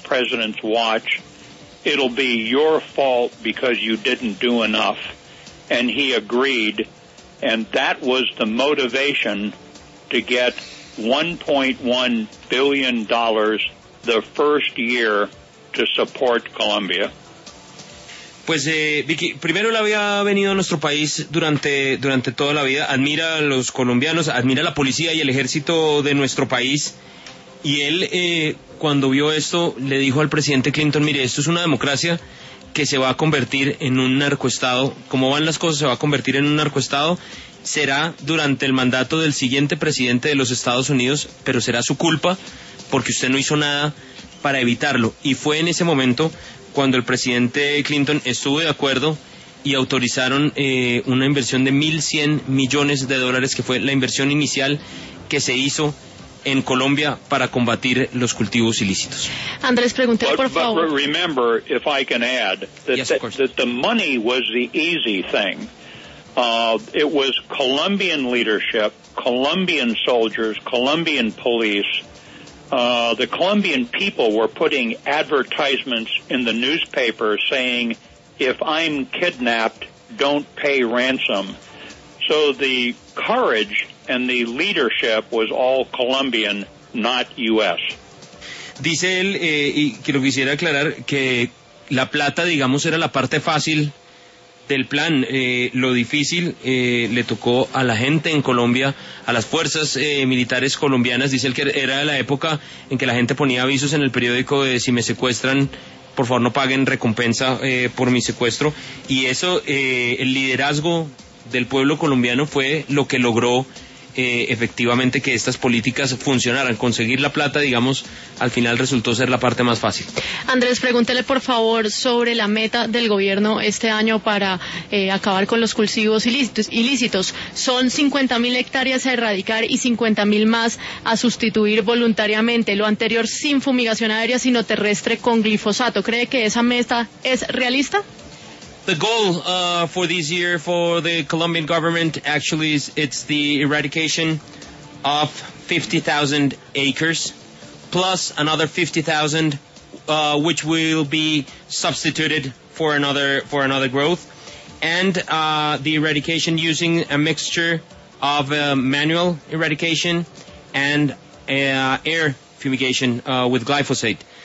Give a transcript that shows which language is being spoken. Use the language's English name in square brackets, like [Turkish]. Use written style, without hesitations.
[English] president's watch. It'll be your fault because you didn't do enough. And he agreed. And that was the motivation to get $1.1 billion the first year to support Colombia. [Spanish] Pues, Vicky, primero le había venido a nuestro país durante toda la vida, admira a los colombianos, admira a la policía y el ejército de nuestro país, y él, cuando vio esto, le dijo al presidente Clinton, mire, esto es una democracia que se va a convertir en un narcoestado, ¿cómo van las cosas? Se va a convertir en un narcoestado, será durante el mandato del siguiente presidente de los Estados Unidos, pero será su culpa, porque usted no hizo nada para evitarlo, y fue en ese momento cuando el presidente Clinton estuvo de acuerdo y autorizaron una inversión de $1,100 millones, que fue la inversión inicial que se hizo en Colombia para combatir los cultivos ilícitos. Andrés, pregunté por favor. [English] But remember, if I can add, that the money was the easy thing. It was Colombian leadership, Colombian soldiers, Colombian police. The Colombian people were putting advertisements in the newspaper saying, if I'm kidnapped, don't pay ransom. So the courage and the leadership was all Colombian, not U.S. [Spanish] Dice él, y que lo quisiera aclarar, que la plata, digamos, era la parte fácil del plan. Lo difícil le tocó a la gente en Colombia, a las fuerzas militares colombianas. Dice él que era la época en que la gente ponía avisos en el periódico de si me secuestran, por favor no paguen recompensa por mi secuestro. Y eso, el liderazgo del pueblo colombiano fue lo que logró efectivamente que estas políticas funcionaran. Conseguir la plata, digamos, al final resultó ser la parte más fácil. Andrés, pregúntele por favor sobre la meta del gobierno este año para acabar con los cultivos ilícitos. Son 50.000 hectáreas a erradicar y 50.000 más a sustituir voluntariamente. Lo anterior sin fumigación aérea, sino terrestre con glifosato. ¿Cree que esa meta es realista? [English] The goal for this year for the Colombian government actually is it's the eradication of 50,000 acres plus another 50,000 which will be substituted for another growth, and the eradication using a mixture of manual eradication and air fumigation with glyphosate.